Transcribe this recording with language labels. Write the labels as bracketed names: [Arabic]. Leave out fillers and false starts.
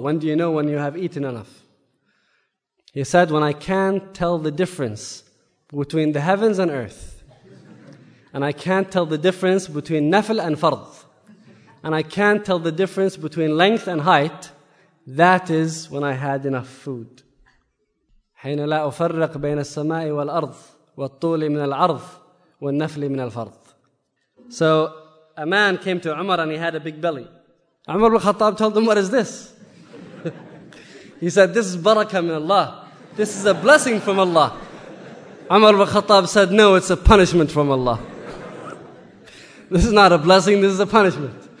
[English] When do you know when you have eaten enough? He said, when I can't tell the difference between the heavens and earth, and I can't tell the difference between nafil and fard, and I can't tell the difference between length and height, that is when I had enough food. [Arabic] حين لا أفرق بين السماء والأرض والطول من العرض والنفل من الفرض. [English] So a man came to Umar and he had a big belly. Umar ibn Khattab told him, what is this? He said, this is barakah min Allah. This is a blessing from Allah. Umar ibn Khattab said, no, it's a punishment from Allah. This is not a blessing, this is a punishment.